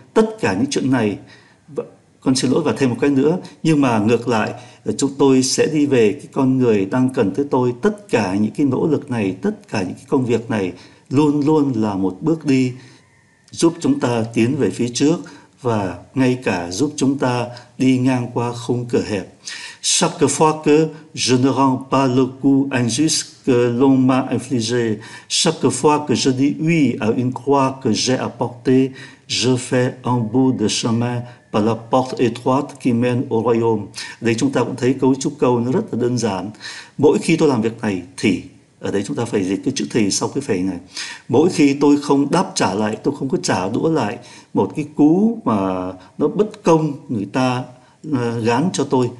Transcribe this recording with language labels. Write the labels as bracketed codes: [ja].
[vi] Tất cả những chuyện này, con xin lỗi và thêm một cái nữa, nhưng mà ngược lại, chúng tôi sẽ đi về cái con người đang cần tới tôi. Tất cả những cái nỗ lực này, tất cả những cái công việc này luôn luôn là một bước đi giúp chúng ta tiến về phía trước, và ngay cả giúp chúng ta đi ngang qua khung cửa hẹp. [fr] Chaque fois que je ne rends pas le coup injuste que l'on m'a infligé, chaque fois que je dis oui à une croix que j'ai apportée, je fais un bout de chemin par la porte étroite qui mène au royaume. [vi] Đây chúng ta cũng thấy cấu trúc câu nó rất là đơn giản. Mỗi khi tôi làm việc này thì, ở đây chúng ta phải dịch cái chữ thì sau cái phẩy này. Mỗi khi tôi không đáp trả lại, tôi không có trả đũa lại một cái cú mà nó bất công người ta gán cho tôi.